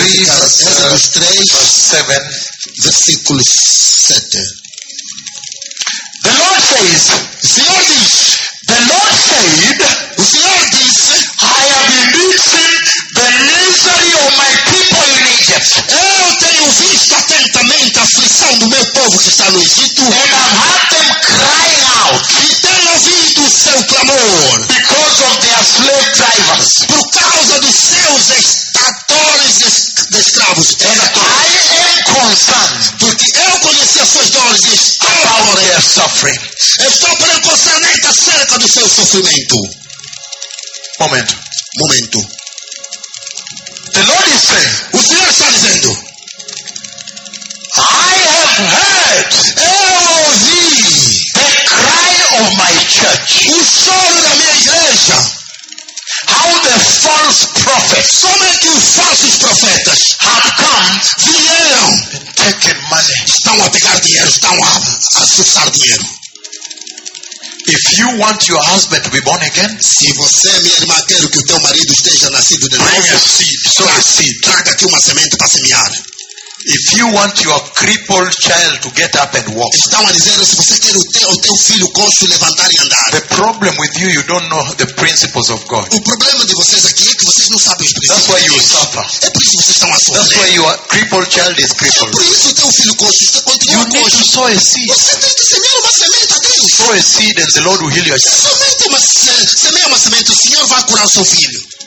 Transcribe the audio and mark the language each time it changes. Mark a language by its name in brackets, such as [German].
[English] Exodus 3, verse 7. [Portuguese] Versículo 7. [English] The Lord says, [Portuguese] Senhor diz, [English] the Lord said, [Portuguese] o Senhor diz, [English] I have been the misery of my people in Egypt. [Portuguese] Eu tenho visto atentamente a aflição do meu povo que está no Egito. [English] And I have heard them crying out. [Portuguese] E tenho ouvido o seu clamor. [English] Because of their slave drivers. [Portuguese] Por causa dos seus estatores de escravos. [English] I am concerned. [Portuguese] Porque eu conheci as suas dores e estou [English] about their suffering. [Portuguese] Estou preocupado acerca do seu sofrimento. Momento. Momento. [English] The Lord is saying, [Portuguese] o Senhor está dizendo, [English] I have heard, [Portuguese] eu ouvi, [English] the cry of my church, [Portuguese] o choro da minha igreja, [English] how the false prophets, [Portuguese] somente os falsos profetas, [English] have come, [Portuguese] vieram, [English] and taken money, [Portuguese] estão a pegar dinheiro, estão a sussar dinheiro. [English] If you want your husband to be born again, [Portuguese] se você, minha irmã, quer que o teu marido esteja nascido de novo, [English] bring a seed, sow a seed. [Portuguese] Traga aqui uma semente para semear. [English] If you want your crippled child to get up and walk, [Portuguese] estão a dizer, se você quer o teu filho coxo levantar e andar, [English] the problem with you don't know the principles of God. [Portuguese] O problema de vocês aqui é que vocês não sabem os princípios. [English] That's why you suffer. [Portuguese] É por isso que vocês estão a sofrer. [English] That's why your crippled child is crippled. [Portuguese] É por isso o teu filho coxo está continuando coxo. [English] You need to sow a seed. [Portuguese] Você tem que semear uma semente a Deus. [English] Sow a seed and the Lord will heal your child. [Portuguese] Somente semeia uma semente, o Senhor vai curar o seu filho.